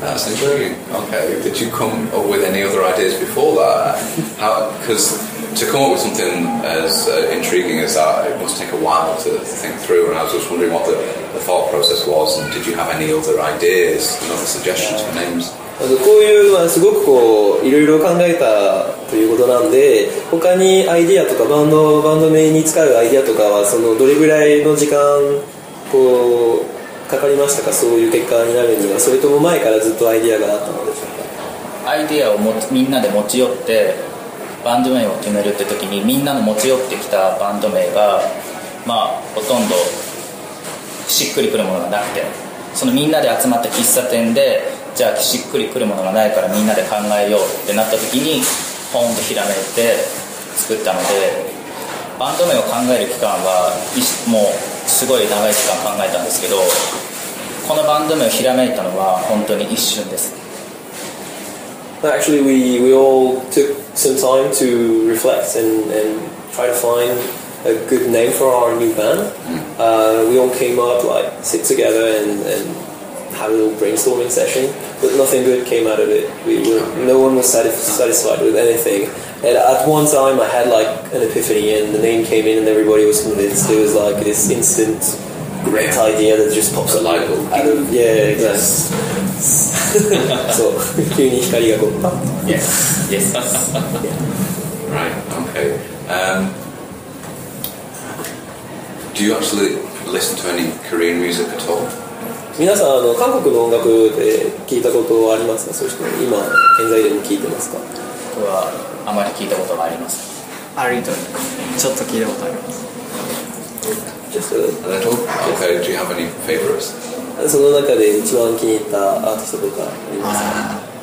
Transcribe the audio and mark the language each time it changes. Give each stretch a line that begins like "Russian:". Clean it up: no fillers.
English: That's intriguing. Okay. Did you come up with any other ideas before that? Because to come up with something as intriguing as that, it must take a while to think through, and I was just wondering what the thought process was, and did you have any other ideas, other suggestions for names?
Japanese: こういうのはすごくこういろいろ考えたということなんで、他にアイデアとかバンド名に使うアイデアとかはそのどれぐらいの時間こうかかりましたか、そういう結果になるには、それとも前からずっとアイデアがあったのでしょうか。アイデアをみんなで持ち寄ってバンド名を決めるって時に、みんなの持ち寄ってきたバンド名がまあほとんどしっくりくるものがなくて、そのみんなで集まった喫茶店で、じゃあしっくりくるものがないからみんなで考えようってなった時にポンとひらめいて作ったので、バンド名を考える期間はもうすごい長い期間考えたんですけど、このバンド名をひらめいたのは本当に一瞬です。
English: Actually, we all took some time to reflect and try to find a good name for our new band. We all came up, like, sit together and have a little brainstorming session, but nothing good came out of it. No one was satisfied with anything. And at one time, I had, like, an epiphany, and the name came in, and everybody was convinced. It was, like, this instant great idea that just pops up. Light bulb. Yeah, exactly. Yes. So,
Japanese: 急に光がこう、パッと。
English: Yes. Yes. Yeah. Right, okay. Do you actually listen to any Korean music at all?
Japanese: 皆さん、あの、韓国の音楽って聞いたことはありますか？そして、今、現在でも聞いてますか？僕は、あまり聞いたことがありません。あるいと、ちょっと聞いたことあります。
English: Just a little? Okay, do you have any favorites?
Japanese: その中で一番気に入ったアーティストとかありますか？